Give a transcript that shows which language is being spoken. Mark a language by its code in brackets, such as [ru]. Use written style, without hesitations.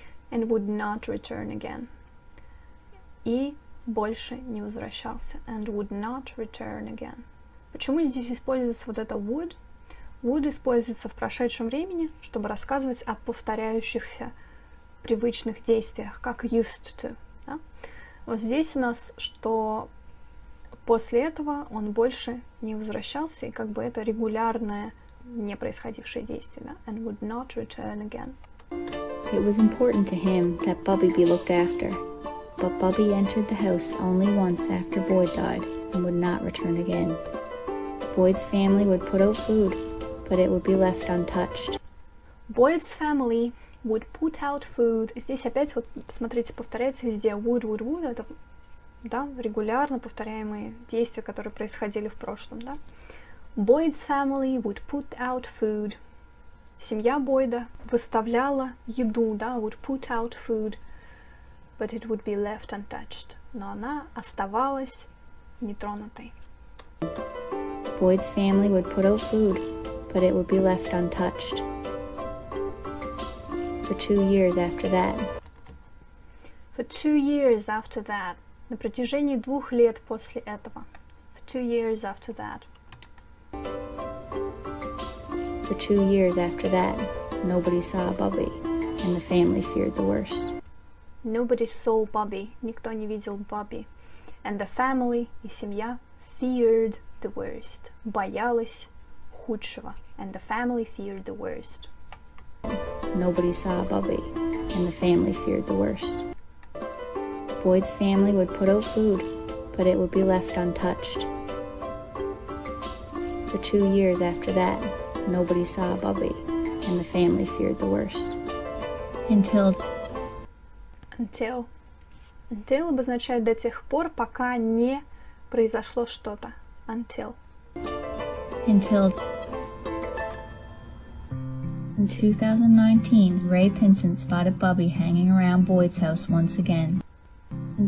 [en] And would not return again. [ru] И больше не возвращался. [en] And would not return again. [ru] Почему здесь используется вот это would? Would используется в прошедшем времени, чтобы рассказывать о повторяющихся привычных действиях, как used to. Да? Вот здесь у нас, что после этого он больше не возвращался, и как бы это регулярное не происходившее действие. [en] Да? And would not return again. It was important to him that Bubby be looked after. But Bubby entered the house only once after Boyd died and would not return again. Boyd's family would put out food, but it would be left untouched. Boyd's family would put out food. [ru] Здесь опять, вот, смотрите, повторяется везде would. Это, да, регулярно повторяемые действия, которые происходили в прошлом, да? [en] Boyd's family would put out food. [ru] Семья Бойда выставляла еду, да, [en] would put out food. But it would be left untouched. [ru] но она оставалась нетронутой. [en] Boyd's family would put out food, but it would be left untouched. For 2 years after that. For 2 years after that. [ru] На протяжении 2 лет после этого. [en] For 2 years after that. For 2 years after that, nobody saw Bobby, and the family feared the worst. Nobody saw Bobby. [ru] Никто не видел Бобби. [en] And the family, [ru] и семья, [en] feared the worst. [ru] Боялась худшего. [en] And the family feared the worst. Nobody saw Bobby, and the family feared the worst. Boyd's family would put out food, but it would be left untouched. For 2 years after that, nobody saw Bobby, and the family feared the worst. Until... Until. [ru] Until обозначает до тех пор, пока не произошло что-то. [en] Until. Until... In 2019, Ray Pinson spotted Bobby hanging around Boyd's house once again. In